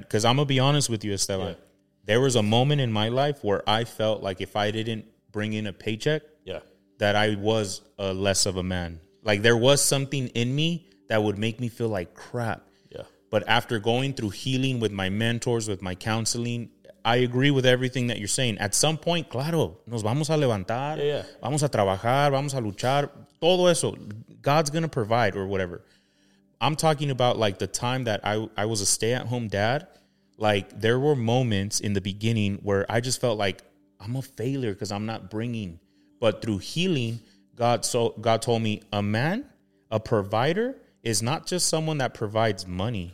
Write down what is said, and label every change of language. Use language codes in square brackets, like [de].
[en] Because I'm going to be honest with you, Esteban. Yeah. There was a moment in my life where I felt like if I didn't bring in a paycheck, yeah, that I was a less of a man. Like, there was something in me that would make me feel like crap. Yeah. But after going through healing with my mentors, with my counseling, I agree with everything that you're saying. At some point, [es] claro, nos vamos a levantar, [en] yeah, yeah, [es] vamos a trabajar, vamos a luchar, todo eso. [en] God's going to provide or whatever. I'm talking about, like, the time that I was a stay-at-home dad. Like, there were moments in the beginning where I just felt like I'm a failure because I'm not bringing. But through healing, God told me a man, a provider, is not just someone that provides money.